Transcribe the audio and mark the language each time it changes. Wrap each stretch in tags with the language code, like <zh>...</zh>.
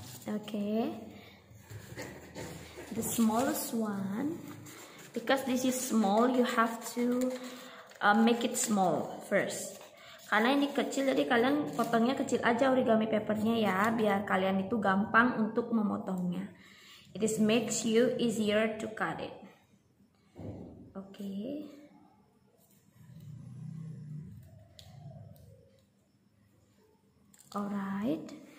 <en>Okay, the smallest one, because this is small, you have to make it small first.</en> <id>Karena ini kecil, jadi kalian potongnya kecil aja origami papernya ya, biar kalian itu gampang untuk memotongnya.</id> <en>It is makes you easier to cut it. Okay. Alright.</en>